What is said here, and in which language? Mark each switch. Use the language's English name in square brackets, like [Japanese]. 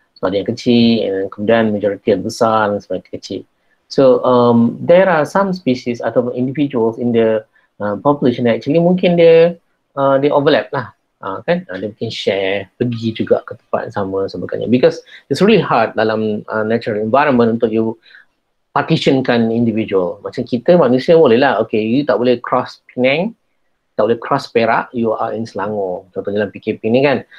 [Malay] So ada yang kecil, kemudian majority yang besar dan sebagainya kecil. [English] So there are some species [Malay] atau [English] individuals in the population that actually [Malay] mungkin dia [English] they overlap [Malay] lah. Kan? Dia mungkin share, pergi juga ke tempat yang sama sebagainya. [English] Because it's really hard [Malay] dalam [English] natural environment [Malay] untuk [English] you partitionkan individual. [Malay] Macam kita manusia boleh lah, okay, you tak boleh cross Penang, tak boleh cross Perak, [English] you are in Selangor. [Malay] Contohnya dalam PKP ni kan.